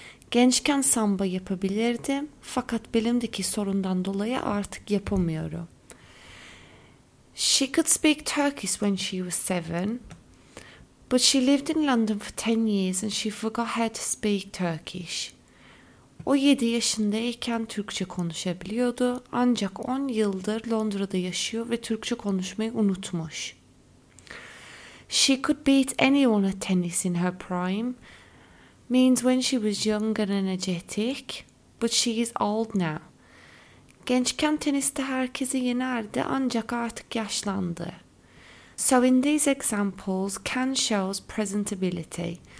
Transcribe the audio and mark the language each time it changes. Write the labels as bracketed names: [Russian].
[Turkish] Gençken samba yapabilirdim. Fakat belimdeki sorundan dolayı artık yapamıyorum. [English] She could speak Turkish when she was 7, but she lived in London for 10 years and she forgot how to speak Turkish. [Turkish] O 7 yaşındayken Türkçe konuşabiliyordu, ancak 10 yıldır Londra'da yaşıyor ve Türkçe konuşmayı unutmuş. [English] She could beat anyone at tennis in her prime, means when she was young and energetic, but she is old now. [Turkish] Gençken teniste herkesi yenerdi ancak artık yaşlandı. [English] So in these examples, can shows present ability.